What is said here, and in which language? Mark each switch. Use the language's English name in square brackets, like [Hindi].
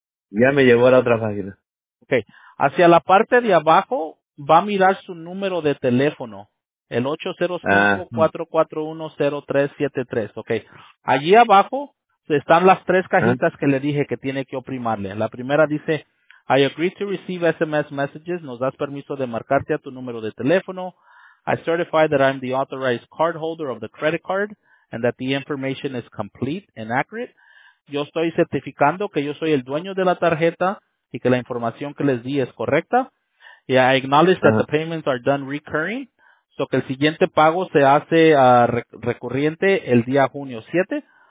[Spanish] Ya me llevó a la otra página. [English] Okay. [Spanish] Hacia la parte de abajo va a mirar su número de teléfono. El 805-441-0373. Okay. Allí abajo están las tres cajitas que le dije que tiene que oprimarle. [English] La primera dice, I agree to receive SMS messages. [Spanish] Nos das permiso de marcarte a tu número de teléfono. [English] I certify that I'm the authorized cardholder of the credit card and that the information is complete and accurate. [Spanish] Yo estoy certificando que yo soy el dueño de la tarjeta y que la información que les di es correcta. [English] Yeah, I acknowledge that the payments are done recurring. [Spanish] So que el siguiente pago se hace recurrente el día junio 7.